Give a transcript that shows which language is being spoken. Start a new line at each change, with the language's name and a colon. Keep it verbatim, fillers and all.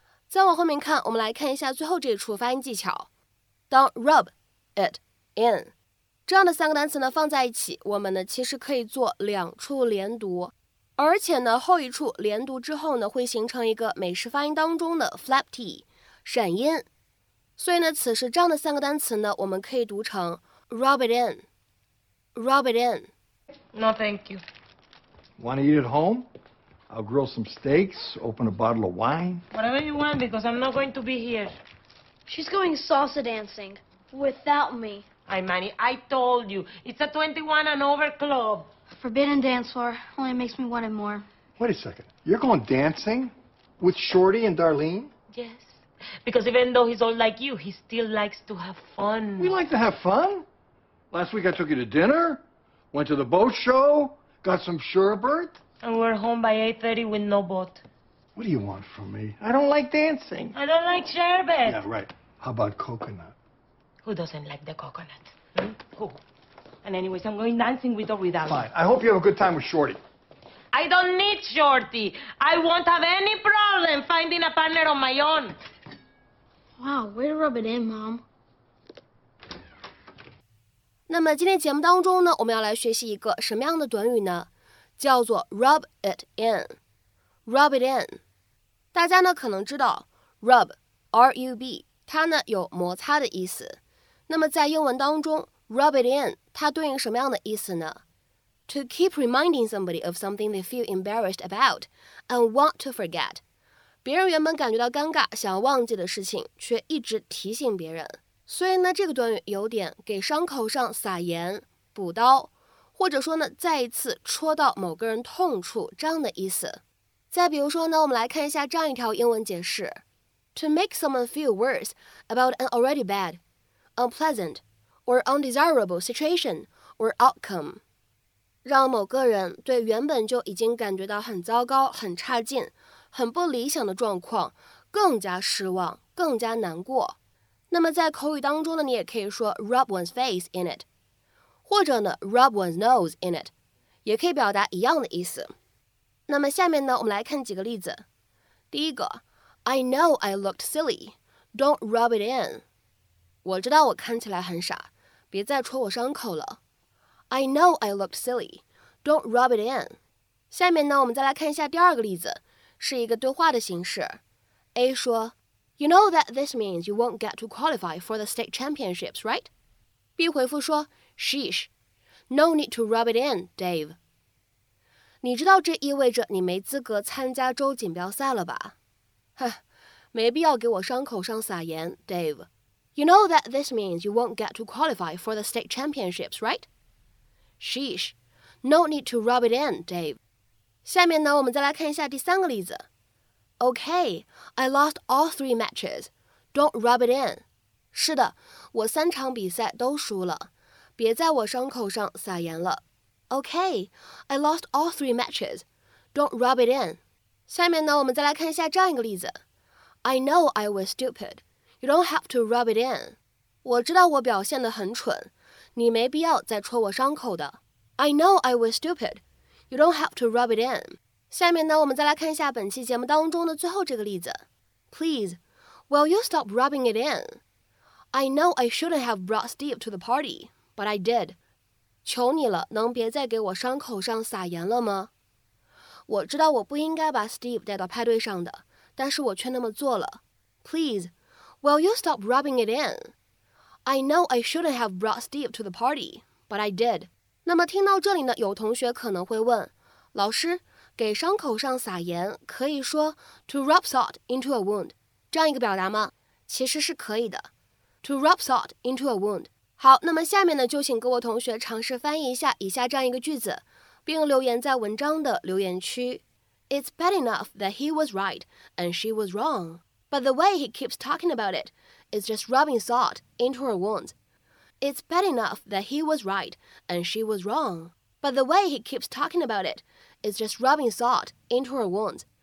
Chinese: 再往后面看，我们来看一下最后这一处发音技巧，当 rub it in 这样的三个单词呢放在一起，我们呢其实可以做两处连读，而且呢后一处连读之后呢，会形成一个美式发音当中的 flap t 闪音，所以呢此时这样的三个单词呢，我们可以读成
English: Rub it in. Rub it in. No, thank you. Want to eat at home? I'll grill some steaks, open a bottle of wine. Whatever you want, because I'm not going to be here. She's going salsa dancing without me. Ay, Manny, I told you. It's a twenty-one and over club. Forbidden dance floor. Only makes me want it more. Wait a second. You're going dancing with Shorty and Darlene? Yes, because even though he's old like you, he still likes to have fun. We like to have fun? Last week I took you to dinner, went to the boat show, got some sherbet. And we're home by eight thirty with no boat. What do you want from me? I don't like dancing. I don't like sherbet. Yeah, right. How about coconut? Who doesn't like the coconut? Hmm? Who? And anyways, I'm going dancing with or without. Fine. I hope you have a good time with Shorty. I don't need Shorty. I won't have any problem finding a partner on my own. Wow, way to rub it in, Mom.
Chinese: 那么今天节目当中呢，我们要来学习一个什么样的短语呢？叫做 rub it in。rub it in。大家呢可能知道 rub R U B 它呢有摩擦的意思。那么在英文当中 rub it in 它对应什么样的意思呢？
English: To keep reminding somebody of something they feel embarrassed about and want to forget。
Chinese: 别人原本感觉到尴尬想忘记的事情，却一直提醒别人。所以呢，这个短语有点给伤口上撒盐、补刀，或者说呢，再一次戳到某个人痛处这样的意思。再比如说呢，我们来看一下这样一条英文解释 ：
English: To make someone feel worse about an already bad, unpleasant, or undesirable situation or outcome，
Chinese: 让某个人对原本就已经感觉到很糟糕、很差劲、很不理想的状况更加失望、更加难过。那么在口语当中呢，你也可以说
English: rub one's face in it，
Chinese: 或者呢
English: rub one's nose in it，
Chinese: 也可以表达一样的意思。那么下面呢，我们来看几个例子。第一个
English: I know I looked silly, don't rub it in。
Chinese: 我知道我看起来很傻，别再戳我伤口了。
English: I know I looked silly, don't rub it in。
Chinese: 下面呢，我们再来看一下第二个例子，是一个对话的形式。 A 说
English: You know that this means you won't get to qualify for the state championships, right?
Chinese: B 回复说
English: Sheesh, no need to rub it in, Dave.
Chinese: 你知道这意味着你没资格参加州锦标赛了吧？哼，没必要给我伤口上撒盐，Dave.
English: You know that this means you won't get to qualify for the state championships, right? Sheesh, no need to rub it in, Dave.
Chinese: 下面呢，我们再来看一下第三个例子。
English: Okay, I lost all three matches. Don't rub it in.
Chinese: 是的，我三场比赛都输了，别在我伤口上撒盐了。
English: Okay, I lost all three matches. Don't rub it in.
Chinese: 下面呢，我们再来看一下这样一个例子。
English: I know I was stupid. You don't have to rub it in.
Chinese: 我知道我表现得很蠢，你没必要再戳我伤口的。
English: I know I was stupid. You don't have to rub it in.
Chinese: 下面呢，我们再来看一下本期节目当中的最后这个例子。
English: Please, will you stop rubbing it in? I know I shouldn't have brought Steve to the party, but I did.
Chinese: 求你了，能别再给我伤口上撒盐了吗？我知道我不应该把 Steve 带到派对上的，但是我却那么做了。
English: Please, will you stop rubbing it in? I know I shouldn't have brought Steve to the party, but I did.
Chinese: 那么听到这里呢，有同学可能会问，老师，给伤口上撒盐可以说
English: to rub salt into a wound
Chinese: 这样一个表达吗？其实是可以的，
English: to rub salt into a wound。
Chinese: 好，那么下面呢，就请各位同学尝试翻译一下以下这样一个句子，并留言在文章的留言区。
English: It's bad enough that he was right and she was wrong, but the way he keeps talking about it is just rubbing salt into her wounds. It's bad enough that he was right and she was wrong, but the way he keeps talking about it is just rubbing salt into her wounds.